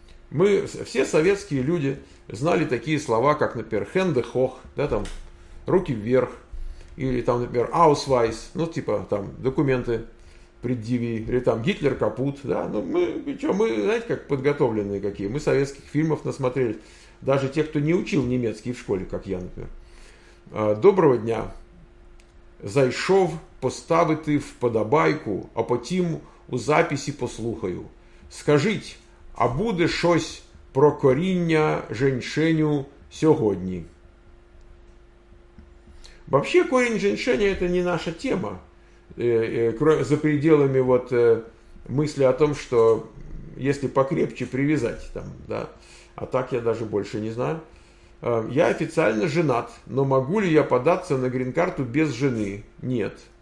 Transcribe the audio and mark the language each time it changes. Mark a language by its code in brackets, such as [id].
[ru] Мы, все советские люди, знали такие слова, как, например, [de] «Hände hoch», [ru] да, там, «руки вверх», или там, например, «Ausweis», ну, типа, там, «документы предъяви», или там «Гитлер капут», да, ну, мы, знаете, как подготовленные какие, мы советских фильмов насмотрели, даже те, кто не учил немецкий в школе, как я, например. [uk] «Доброго дня! Зайшов поставити в подобайку, а потім у записи послухаю. Скажіть, а буде щось про коріння женьшеню сьогодні?» [ru] Вообще корень женьшеня – это не наша тема. За пределами вот мысли о том, что если покрепче привязать, там, да, а так я даже больше не знаю. Я официально женат, но могу ли я податься на грин-карту без жены? Нет.